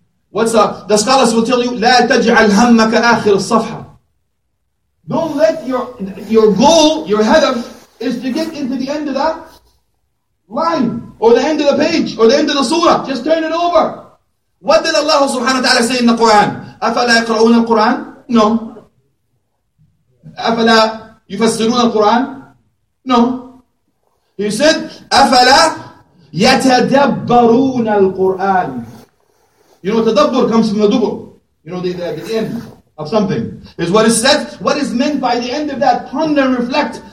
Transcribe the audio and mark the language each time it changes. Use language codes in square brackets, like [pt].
[en] What's up? The scholars will tell you, [ar] لا تجعل همك آخر الصفحة. [en] Don't let your goal, your hedaf, is to get into the end of that line, or the end of the page, or the end of the surah. Just turn it over. What did Allah subhanahu wa ta'ala say in the Quran? [ar] أَفَلَا يَقْرَؤُونَ الْقُرْآنَ? No. أَفَلَا يُفَسِّرُونَ الْقُرْآنَ? No. [en] He said, [ar] أَفَلَا يَتَدَبَّرُونَ الْقُرْآنَ? [en] You know, تَدَبَّر comes from the دُبُر. You know, the end. of something. Is what is said, what is meant by the end of that, ponder and reflect.